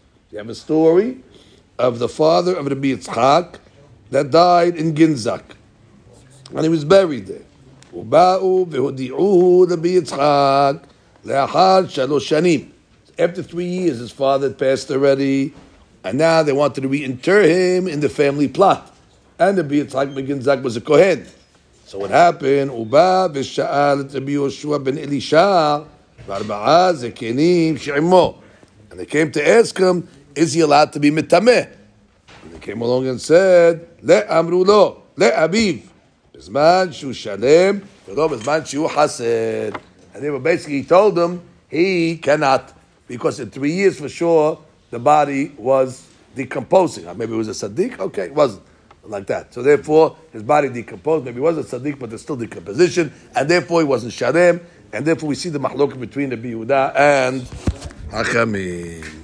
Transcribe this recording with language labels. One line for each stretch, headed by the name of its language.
English: You have a story of the father of Rabbi Yitzchak that died in Ginzak. And he was buried there.
Hebrew: ובאו והודיעו לבי יצחק לאחר שלוש שנים.
English: After 3 years, his father had passed already, and now they wanted to reinter him in the family plot. And the בי יצחק מגנזק was a Kohen. So what happened?
Hebrew: ובא ושאל את רבי יהושע בן אלישע וארבעה זקנים שעמו.
English: And they came to ask him, is he allowed to be מתמה? And they came along and said,
Hebrew: לאמרו לו, לאביו, בזמן שהוא שלם, ולא בזמן שהוא חסד.
English: And they were basically told him, he cannot, because in 3 years for sure, the body was decomposing. Or maybe it was a tzaddik, okay, it wasn't, like that. So therefore, his body decomposed, maybe he was a tzaddik, but there's still decomposition, and therefore he wasn't shalem, and therefore we see the machlok between the Biyuda and Hachamim.